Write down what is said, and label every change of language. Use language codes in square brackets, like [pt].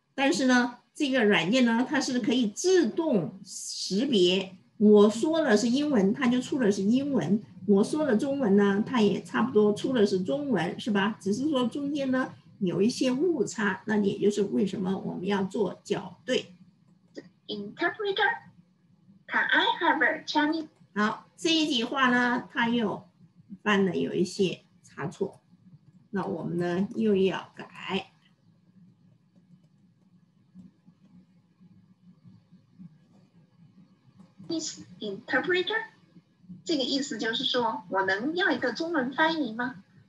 [zh] 但是呢，这个软件呢，它是可以自动识别。我说的是英文，它就出的是英文；我说的中文呢，它也差不多出的是中文，是吧？只是说中间呢有一些误差，那也就是为什么我们要做校对。 [en] Interpreter, can I have a Chinese? [zh] 好，这一句话呢，它又犯了有一些差错，那我们呢又要改。 Interpreter， 这个意思就是说我能要一个中文翻译吗？